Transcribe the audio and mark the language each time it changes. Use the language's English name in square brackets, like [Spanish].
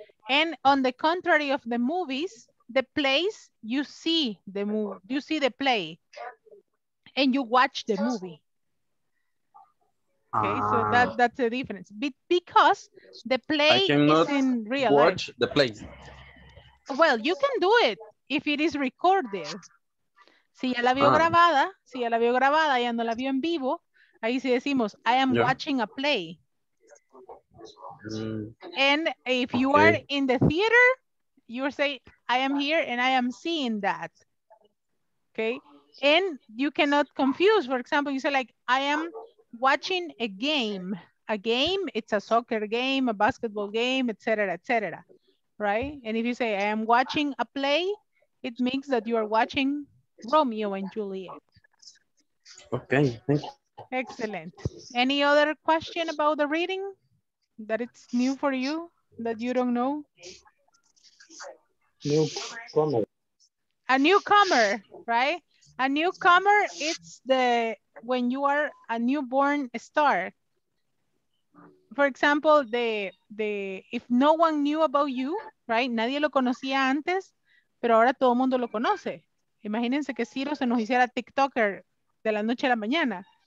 [English] And on the contrary of the movies, the place you see the movie, you see the play, and you watch the movie. Okay, so that's the difference. Because the play is in real life. Watch the play. Well, you can do it if it is recorded. [Spanish] Si ya la vio grabada, si ya la vio grabada y no la vio en vivo, ahí sí decimos, [English] I am watching a play. And if you are in the theater, you say, I am here and I am seeing that. Okay? And you cannot confuse. For example, you say like, I am watching a game. A game, it's a soccer game, a basketball game, etc., etc. Right? And if you say, I am watching a play, it means that you are watching Romeo and Juliet. Okay, thank you. Excellent. Any other question about the reading that it's new for you, that you don't know? Newcomer. A newcomer, right? A newcomer, it's the when you are a newborn star. For example, if no one knew about you, right? [Spanish] Nadie lo conocía antes, pero ahora todo mundo lo conoce. Imagínense que Ciro se nos hiciera TikToker de la noche a la mañana.